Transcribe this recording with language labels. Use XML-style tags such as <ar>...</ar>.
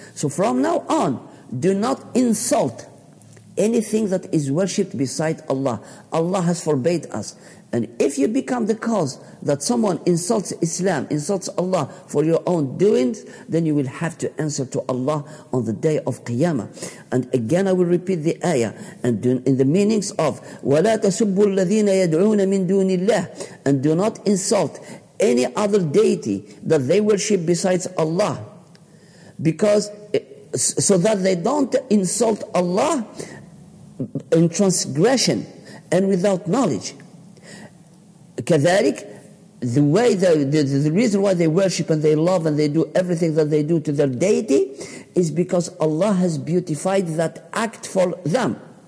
<en>So from now on, do not insult anything that is worshipped beside Allah. Allah has forbade us. And if you become the cause that someone insults Islam, insults Allah for your own doings, then you will have to answer to Allah on the day of Qiyamah. And again, I will repeat the ayah. And in the meanings of,</en> <ar>وَلَا تَسُبُّوا الَّذِينَ يَدْعُونَ مِن دُونِ اللَّهِ.</ar> <en>And do not insult any other deity that they worship besides Allah. Because, so that they don't insult Allah in transgression and without knowledge. Kadharik, the reason why they worship and they love and they do everything that they do to their deity is because Allah has beautified that act for them.</en>